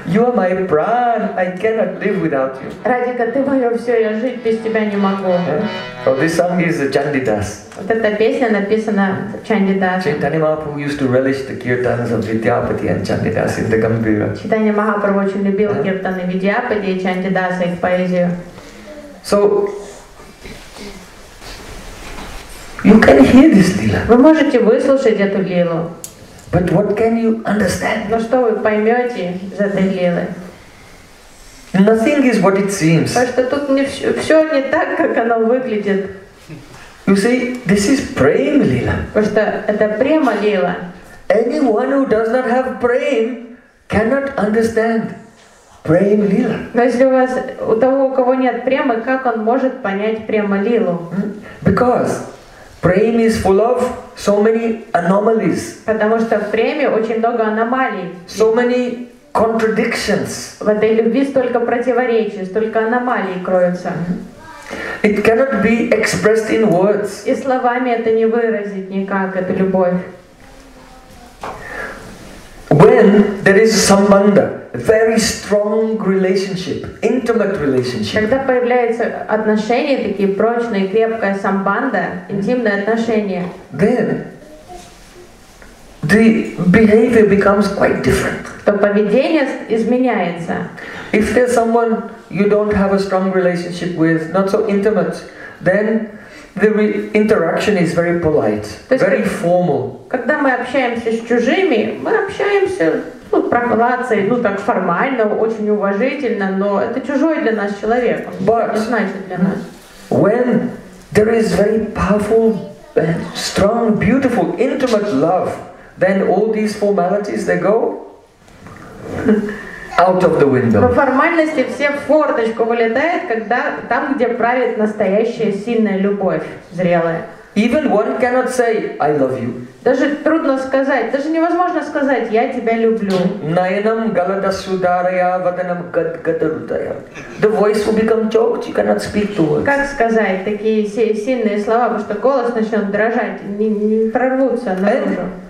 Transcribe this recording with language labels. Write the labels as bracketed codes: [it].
[en] You are my pran, I cannot live without you. [ru] Радика, ты мое все, я жить без тебя не могу. [en] Yeah? Oh, this song is Chandidas. [ru] Вот эта песня написана Чандидас. [en] Chaitanya Mahaprabhu used to relish the kirtans of Vidyapati and Chandidas in the Gambira. [ru] Chaitanya Mahaprabhu очень любил киртаны Vidyapati и Chandidas, их поэзию. [en] So, you can hear this lila. [ru] Вы можете выслушать эту лилу. [en] But what can you understand? [ru] Но что вы поймете из этой лилы? [en] Nothing is what it seems. [ru] Потому что тут не все, все не так, как оно выглядит. [en] You see, this is prem lila. [ru] Потому что это према лила. [en] Anyone who does not have prem cannot understand prem lila. [ru] Но если у вас у того, у кого нет премы, как он может понять према лилу? [en] Because Prem is full of so many anomalies. [ru] Потому что в преме очень много аномалий. [en] So many contradictions. [ru] В этой любви столько противоречий, столько аномалий кроется. [en] It cannot be expressed in words. [ru] И словами это не выразить никак, эту любовь. [en] When there is sambandha, very strong relationship, intimate relationship. [ru] Когда появляются отношения такие прочные, крепкая самбанда, интимные отношения. [en] Then the behavior becomes quite different. [ru] То поведение изменяется. [en] If there's someone you don't have a strong relationship with, not so intimate, then the interaction is very polite, very formal. [ru] Когда мы общаемся с чужими, мы общаемся прохладцей, ну так формально, очень уважительно, но это чужой для нас человек, [en] but [ru] не значит для нас. [en] When there is very powerful, strong, beautiful, intimate love, then all these formalities, they go out of the window. [ru] По формальности все в форточку вылетает, когда там, где правит настоящая сильная любовь, зрелая. [en] Even one cannot say, I love you. [ru] Даже трудно сказать, даже невозможно сказать, я тебя люблю. [sa] Nayanam galada sudaraya vadanam gadgadarudaya. [en] The voice will become choked, you cannot speak to words. [ru] Как сказать такие сильные слова, потому что голос начнет дрожать, не прорвутся наружу.